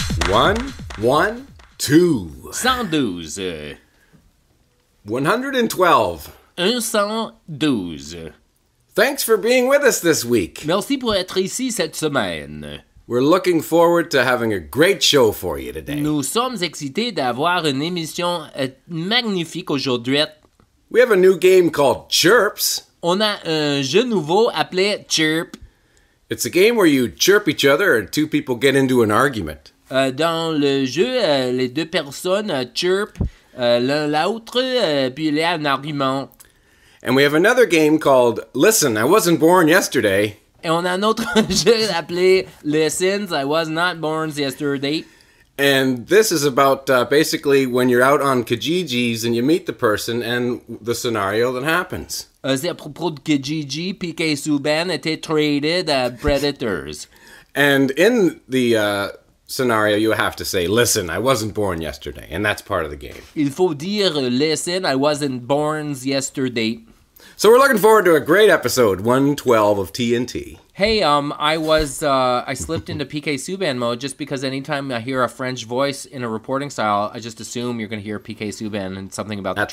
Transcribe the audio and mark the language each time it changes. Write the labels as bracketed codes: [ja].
[en] One, one, two. [fr] Sandouze. [en] 112. 112. Thanks for being with us this week. [fr] Merci pour être ici cette semaine. [en] We're looking forward to having a great show for you today. [fr] Nous sommes excités d'avoir une émission magnifique aujourd'hui. [en] We have a new game called Chirps. [fr] On a un jeu nouveau appelé Chirp. [en] It's a game where you chirp each other and two people get into an argument. [fr] Dans le jeu, les deux personnes chirpent l'un l'autre, puis il y a un argument. [en] And we have another game called Listen, I Wasn't Born Yesterday. [fr] Et on a un autre jeu appelé Listen, I Was Not Born Yesterday. [en] And this is about basically when you're out on Kijiji's and you meet the person and the scenario that happens. [fr] C'est à propos de Kijiji, puis que Subban était traded à Predators. [en] And in the scenario, you have to say, listen, I wasn't born yesterday. And that's part of the game. [fr] Il faut dire, [en] listen, I wasn't born yesterday. So we're looking forward to a great episode, 112 of TNT. Hey, I slipped into PK Subban mode just because anytime I hear a French voice in a reporting style, I just assume you're going to hear PK Subban and something about the